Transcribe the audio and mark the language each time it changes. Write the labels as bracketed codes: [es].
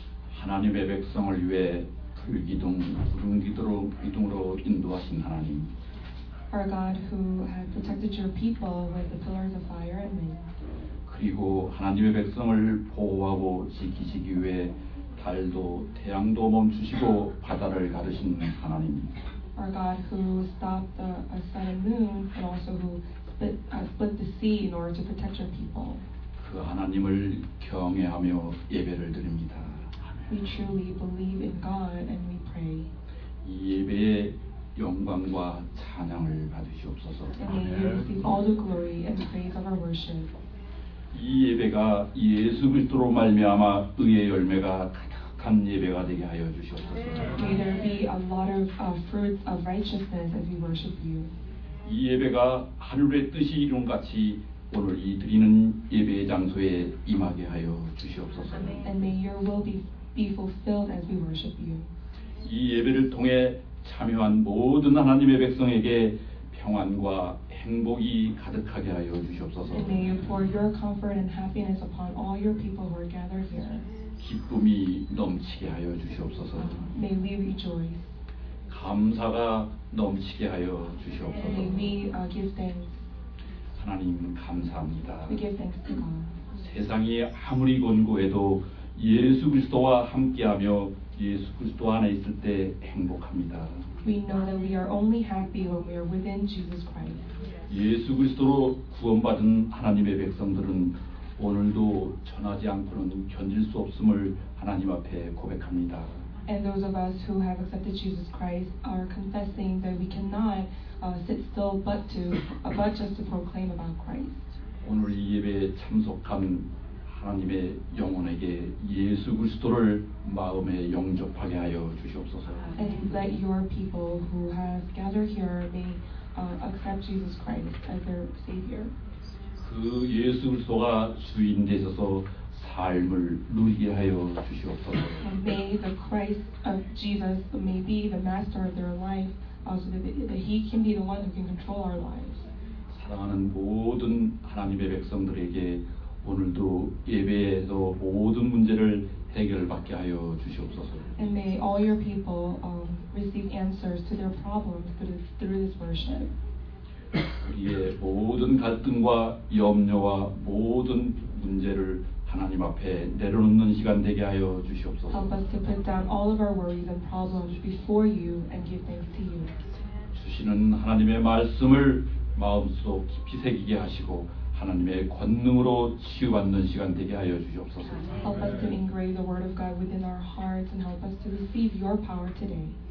[ko] 하나님의 백성을 위해 불기둥, 구름 기둥으로 인도하신 하나님. [en] Our God who has protected your people with the pillars of fire and wind. [ko] 그리고 하나님의 백성을 보호하고 지키시기 위해 달도 태양도 멈추시고 바다를 가르신 하나님. [en] Our God who stopped the sun and moon, but also who split the sea in order to protect your people. [ko] 그 하나님을 경외하며 예배를 드립니다. [en] We truly believe in God and we pray. [ko] 이 예배의 영광과 찬양을 받으시옵소서. [en] And may you receive all the glory and praise of our worship. [ko] 이 예배가 예수 그리스도로 말미암아 의의 열매가 가득한 예배가 되게 하여 주시옵소서. [en] May there be a lot of fruits of righteousness as we worship you. [ko] 이 예배가 하늘의 뜻이 이룬 같이 오늘 이 드리는 예배의 장소에 임하게 하여 주시옵소서. [en] And may your will be fulfilled as we worship you. [ko] 이 예배를 통해 참여한 모든 하나님의 백성에게 평안과 행복이 가득하게 하여 주시옵소서. [en] And may you pour your comfort and happiness upon all your people who are gathered here. [ko] 기쁨이 넘치게 하여 주시옵소서. [en] May we rejoice. [ko] 감사가 넘치게 하여 주시옵소서. [en] May we give thanks. [ko] 하나님 감사합니다. [en] We give thanks to God. [ko] 세상이 아무리 곤고해도 예수 그리스도와 함께하며 예수 그리스도 안에 있을 때 행복합니다. [en] We know that we are only happy when we are within Jesus Christ. [ko] 예수 그리스도로 구원받은 하나님의 백성들은 오늘도 전하지 않고는 견딜 수 없음을 하나님 앞에 고백합니다. [en] And those of us who have accepted Jesus Christ are confessing that we cannot sit still but just to proclaim about Christ. [ko] 오늘 이 예배에 참석한 하나님의 영혼에게 예수 그리스도를 마음에 영접하게 하여 주시옵소서. [en] And let your people who have gathered here may accept Jesus Christ as their Savior. [ko] 그 예수 그리스도가 주인 되셔서 삶을 누리게 하여 주시옵소서. [en] And may the Christ of Jesus may be the master of their life, so that He can be the one who can control our lives. [ko] 사랑하는 모든 하나님의 백성들에게 오늘도 예배에서 모든 문제를 해결받게 하여 주시옵소서. [en] And may all your people receive answers to their problems through this worship. [ko] 우리의 모든 갈등과 염려와 모든 문제를 하나님 앞에 내려놓는 시간 되게 하여 주시옵소서. [en] Help us to put down all of our worries and problems before you and give thanks to you. [ko] 주시는 하나님의 말씀을 마음속 깊이 새기게 하시고 하나님의 권능으로 치유받는 시간 되게 하여 주시옵소서. [en] Help us to engrave the word of God within our hearts and help us to receive your power today.